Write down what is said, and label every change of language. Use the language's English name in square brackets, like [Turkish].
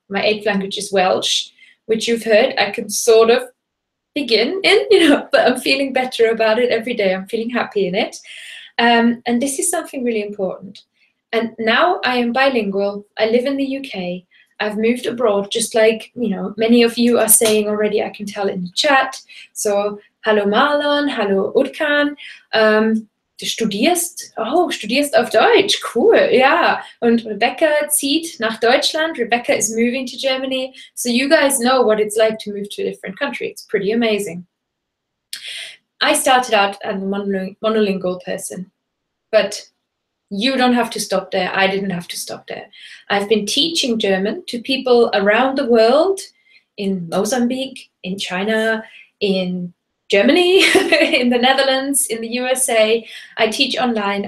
[English] My eighth language is Welsh, which you've heard I can sort of begin in, you know, but I'm feeling better about it every day. I'm feeling happy in it. And this is something really important. And now I am bilingual. I live in the UK. I've moved abroad, just like, you know, many of you are saying already, I can tell in the chat. [German] So, hallo Marlon, hallo Urkan. Du studierst, oh, studierst auf Deutsch, [English] cool, yeah. [German] Und Rebecca zieht nach Deutschland. [English] Rebecca is moving to Germany. So you guys know what it's like to move to a different country. It's pretty amazing. I started out as a monolingual person, but you don't have to stop there. I didn't have to stop there. I've been teaching German to people around the world, in Mozambique, in China, in Germany, in the Netherlands, in the USA. I teach online.